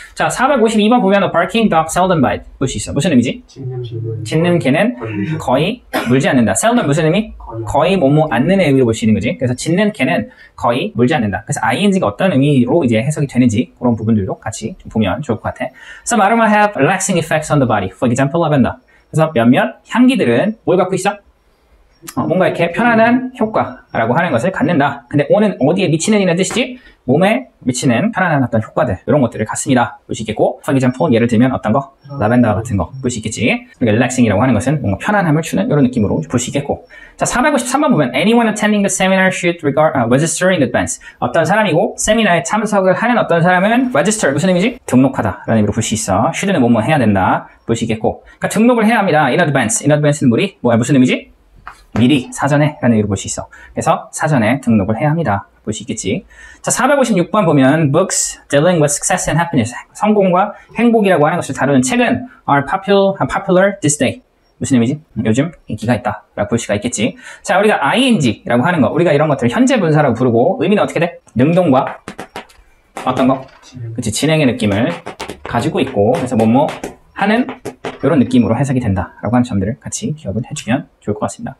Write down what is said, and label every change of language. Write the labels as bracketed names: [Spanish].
[Korean] 자, 452번 보면 [English] A barking dog seldom bite [Korean] 볼 수 있어. 무슨 의미지? 짖는 개는 거의 물지 않는다. seldom 무슨 의미? 거의 뭐뭐 않는 의미로 볼 수 있는 거지. 그래서 짖는 개는 거의 물지 않는다. 그래서 ing가 어떤 의미로 이제 해석이 되는지 그런 부분들도 같이 좀 보면 좋을 것 같아. [English] Some aroma have relaxing effects on the body. For example, lavender. [Korean] 그래서 몇몇 향기들은 뭘 갖고 있어? 뭔가 이렇게 편안한 효과라고 하는 것을 갖는다. 근데 오는 어디에 미치는 이란 뜻이지? 몸에 미치는 편안한 어떤 효과들, 이런 것들을 갖습니다 볼 수 있겠고, 펀기점폰 예를 들면 어떤 거? 라벤더 같은 거 볼 수 있겠지. 그러니까 릴렉싱이라고 하는 것은 뭔가 편안함을 주는 이런 느낌으로 볼 수 있겠고, 자, 453번 보면 [English] anyone attending the seminar should register in advance. [Korean] 어떤 사람이고 세미나에 참석을 하는 어떤 사람은 register 무슨 의미지? 등록하다 라는 의미로 볼 수 있어. should는 뭐뭐 해야 된다 볼 수 있겠고, 그러니까 등록을 해야 합니다. in advance, in advance는 우리 뭐야, 무슨 의미지? 미리 사전에 라는 의미로 볼 수 있어. 그래서 사전에 등록을 해야 합니다 볼 수 있겠지. 자, 456번 보면 [English] books dealing with success and happiness, [Korean] 성공과 행복이라고 하는 것을 다루는 책은 [English] are popular this day. [Korean] 무슨 의미지? 요즘 인기가 있다 라고 볼 수가 있겠지. 자, 우리가 ing라고 하는 거, 우리가 이런 것들을 현재 분사라고 부르고, 의미는 어떻게 돼? 능동과 어떤 거? 그치, 진행의 느낌을 가지고 있고, 그래서 뭐뭐 하는 이런 느낌으로 해석이 된다라고 하는 점들을 같이 기억을 해주면 좋을 것 같습니다.